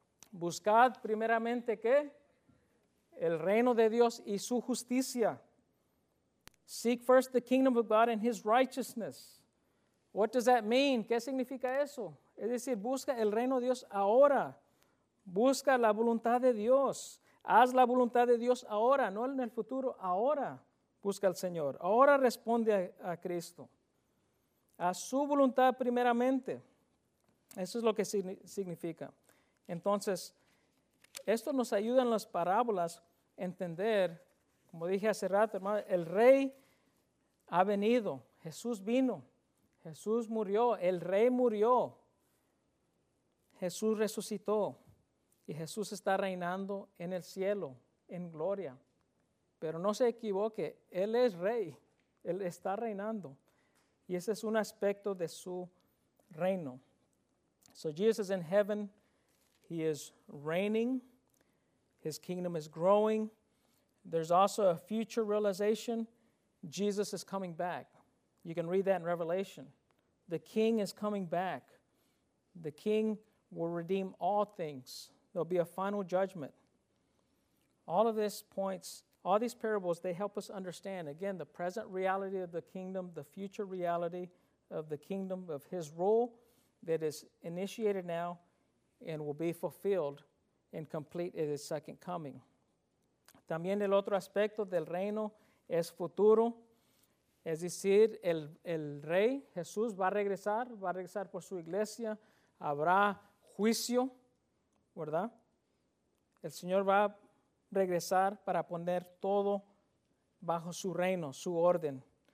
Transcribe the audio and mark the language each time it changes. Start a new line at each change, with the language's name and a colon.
Spanish: Buscad primeramente, ¿qué? El reino de Dios y su justicia.
English: Seek first the kingdom of God and his righteousness. What does that mean?
Spanish: ¿Qué significa eso? Es decir, busca el reino de Dios ahora. Busca la voluntad de Dios. Haz la voluntad de Dios ahora, no en el futuro, ahora busca al Señor. Ahora responde a Cristo. Haz su voluntad primeramente. Eso es lo que significa. Entonces, Esto nos ayuda en las parábolas a entender, como dije hace rato, hermano, el rey ha venido, Jesús vino, Jesús murió, el rey murió, Jesús resucitó y Jesús está reinando en el cielo, en gloria. Pero no se equivoque, Él es rey, Él está reinando. Y ese es un aspecto de su reino.
English: So Jesus is in heaven, He is reigning, His kingdom is growing. There's also a future realization, Jesus is coming back. You can read that in Revelation. The King is coming back. The King will redeem all things. There'll be a final judgment. All of this points, all these parables, they help us understand, again, the present reality of the kingdom, the future reality of the kingdom, of His rule that is initiated now and will be fulfilled and complete at His second coming.
Spanish: También el otro aspecto del reino es futuro. Es decir, el rey Jesús va a regresar por su iglesia. Habrá juicio, ¿verdad? El Señor va a regresar para poner todo bajo su reino, su orden.